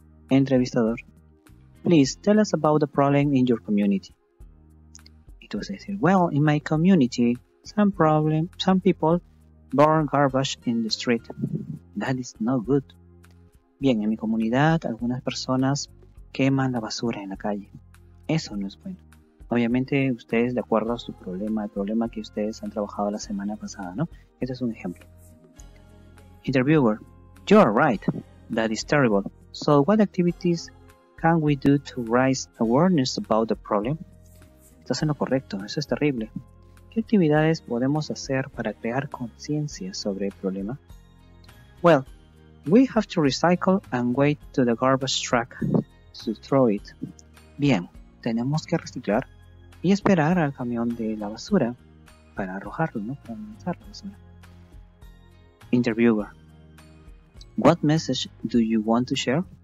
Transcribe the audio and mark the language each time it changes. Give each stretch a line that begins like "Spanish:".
English: Entrevistador, please tell us about the problem in your community.
Spanish: Y tú vas a decir,
English: well, in my community, some people burn garbage in the street. That is no good.
Spanish: Bien, en mi comunidad, algunas personas queman la basura en la calle. Eso no es bueno. Obviamente, ustedes, de acuerdo a su problema, el problema que ustedes han trabajado la semana pasada, ¿no? Este es un ejemplo.
English: Interviewer, you are right. That is terrible. So, what activities can we do to raise awareness about the problem?
Spanish: Estás en lo correcto. Eso es terrible. ¿Qué actividades podemos hacer para crear conciencia sobre el problema?
English: Well, we have to recycle and wait to the garbage truck to throw it.
Spanish: Bien, tenemos que reciclar y esperar al camión de la basura para arrojarlo, ¿no? Para lanzar la basura.
English: Interviewer, what message do you want to share?